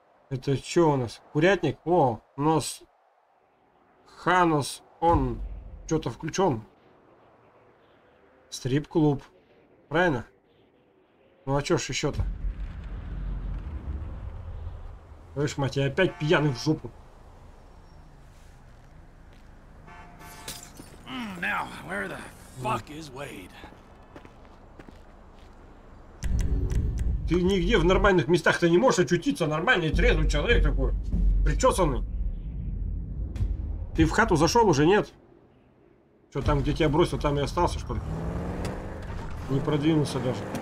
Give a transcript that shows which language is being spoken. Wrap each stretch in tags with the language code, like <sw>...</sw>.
<ru>Это что у нас? Курятник? О, нос. Ханос, он что-то включен. Стрип-клуб. Правильно? Ну а чё ж ещё-то? Слышь, мать, я опять пьяный в жопу.</ru> <en>Now, where the fuck is Wade?</en> <ru>Ты нигде в нормальных местах-то не можешь очутиться. Нормальный, трезвый человек такой. Причесанный. Ты в хату зашёл уже, нет? Чё, там, где тебя бросил, там и остался, что ли? Не продвинулся даже.</ru>